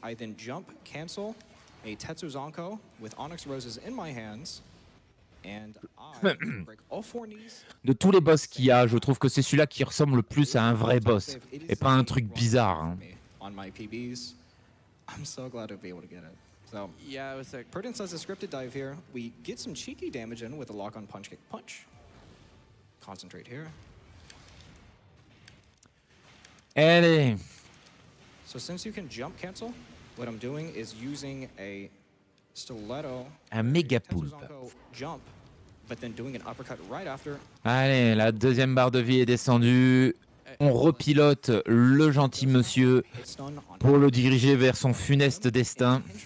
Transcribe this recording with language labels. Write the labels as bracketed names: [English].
[English] I then jump cancel a Tetsu Zanko with Onyx Roses in my hands. And I break all four knees. [French] De tous les boss qu'il y a, je trouve que c'est celui-là qui ressemble le plus à un vrai boss. Et pas un truc bizarre. Hein. [English] On my PBs. I'm so glad to be able to get it. So, yeah, it was sick. Prudence has a scripted dive here. We get some cheeky damage in with a lock on punch kick punch. Concentrate here. [French] Allez. [English] So since you can jump cancel, what I'm doing is using a stiletto. [French] Un méga poulpe. [English] Jump, but then doing an uppercut right after. [French] Allez, la deuxième barre de vie est descendue. On repilote le gentil monsieur pour le diriger vers son funeste destin.